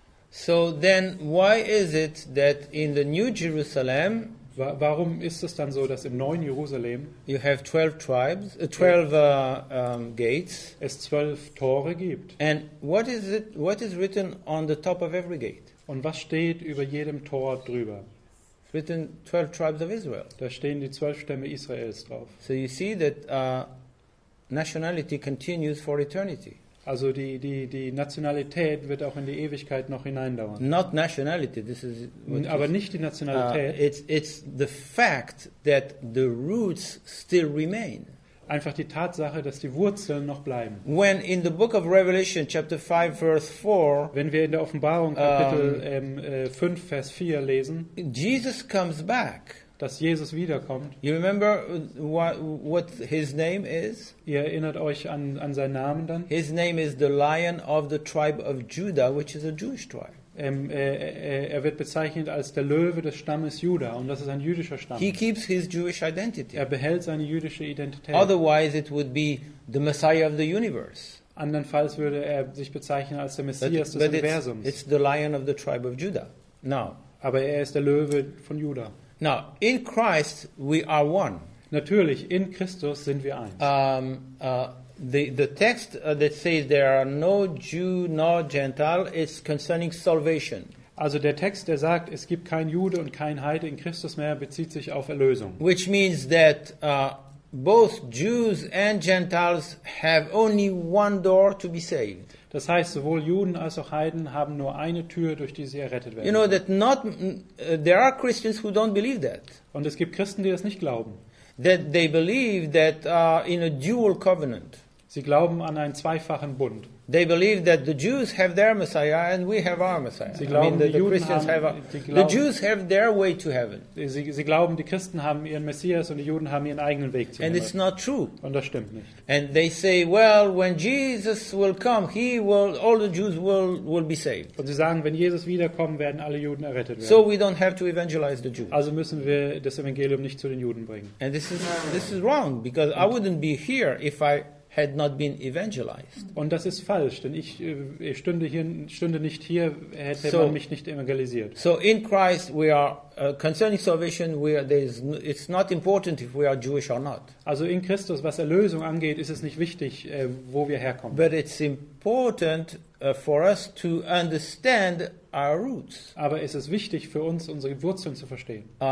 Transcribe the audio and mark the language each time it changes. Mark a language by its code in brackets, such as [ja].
[en] So then, why is it that in the New Jerusalem? [de] Warum ist es dann so, dass im neuen Jerusalem? [en] You have 12 tribes, 12 gates. [de] Es 12 Tore gibt. [en] And what is it? What is written on the top of every gate? [de] Und was steht über jedem Tor drüber? [en] Written 12 tribes of Israel. [de] Da stehen die 12 Stämme Israels drauf. [en] So you see that nationality continues for eternity. [de] Also die Nationalität wird auch in die Ewigkeit noch hineindauern. [en] Not nationality, this is [de] aber nicht die Nationalität. [en] It's the fact that the roots still remain. [de] Einfach die Tatsache, dass die Wurzeln noch bleiben. [en] When in the book of Revelation, chapter 5, verse 4, [de] wenn wir in der Offenbarung Kapitel 5, Vers 4 lesen, [en] Jesus comes back. [de] Dass Jesus wiederkommt. [en] You remember what his name is? [de] Ihr erinnert euch an seinen Namen dann? [en] His name is the Lion of the tribe of Judah, which is a Jewish tribe. [de] Er wird bezeichnet als der Löwe des Stammes Juda, und das ist ein jüdischer Stamm. [en] He keeps his Jewish identity. [de] Er behält seine jüdische Identität. [en] Otherwise it would be the Messiah of the universe. [de] Andernfalls würde er sich bezeichnen als der Messias des Universums. [en] It's the Lion of the tribe of Judah. [de] Now, aber er ist der Löwe von Juda. [en] Now, in Christ we are one. [de] Natürlich, in Christus sind wir eins. [en] The text that says there are no Jew nor Gentile is concerning salvation. [de] Also der Text, der sagt, es gibt kein Jude und kein Heide in Christus mehr, bezieht sich auf Erlösung. [en] Which means that both Jews and Gentiles have only one door to be saved. [de] Das heißt, sowohl Juden als auch Heiden haben nur eine Tür, durch die sie errettet werden. [en] You know that not there are Christians who don't believe that. [de] Und es gibt Christen, die das nicht glauben. [en] That they believe that in a dual covenant. [de] Sie glauben an einen zweifachen Bund. [en] They believe that the Jews have their Messiah and we have our Messiah. [de] Sie glauben, [en] I mean, the Christians [de] haben, [en] the Jews have their way to heaven. [de] Sie glauben, die Christen haben ihren Messias und die Juden haben ihren eigenen Weg zu Himmel. [en] It's not true. [de] Und das stimmt nicht. [en] And they say, well, when Jesus will come, he will, all the Jews will be saved. [de] Und sie sagen, wenn Jesus wiederkommt, werden alle Juden errettet werden. [en] So we don't have to evangelize the Jews. [de] Also müssen wir das Evangelium nicht zu den Juden bringen. [en] And this is wrong, because I wouldn't be here if I had not been evangelized. [de] Und das ist falsch, denn ich stünde nicht hier, hätte man mich nicht evangelisiert. [en] So in Christ we are concerning salvation, it's not important if we are Jewish or not. [de] Also in Christus, was Erlösung angeht, ist es nicht wichtig, wo wir herkommen. [en] But it's important for us to understand our roots. [de] Aber es ist wichtig für uns, unsere Wurzeln zu verstehen.